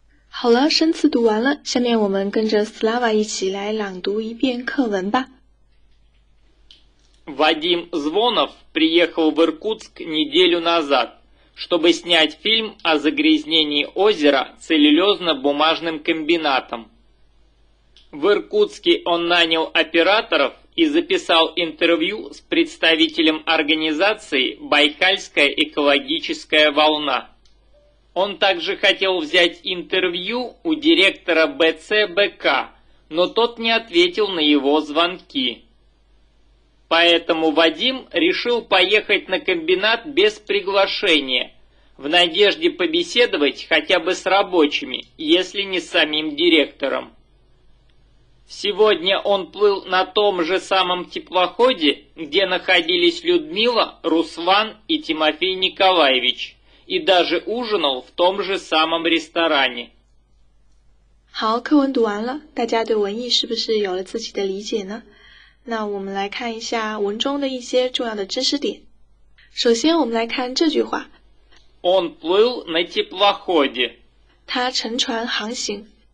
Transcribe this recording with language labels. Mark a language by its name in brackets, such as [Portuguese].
[Chinese] 好了，生词读完了，下面我们跟着 Slava 一起来朗读一遍课文吧。 [Russian] Вадим Звонов приехал в Иркутск неделю назад, чтобы снять фильм о загрязнении озера целлюлезно-бумажным комбинатом. В Иркутске он нанял операторов и записал интервью с представителем организации «Байкальская экологическая волна». Он также хотел взять интервью у директора БЦБК, но тот не ответил на его звонки. Поэтому Вадим решил поехать на комбинат без приглашения, в надежде побеседовать хотя бы с рабочими, если не с самим директором. Сегодня он плыл на том же самом теплоходе, где находились Людмила, Руслан и Тимофей Николаевич. И даже ужинал в том же самом ресторане. [Chinese] 好，课文读完了，大家对文意是不是有了自己的理解呢？那我们来看一下文中的一些重要的知识点。首先，我们来看这句话。 [Russian] Он плыл на теплоходе. [Chinese] 他乘船航行。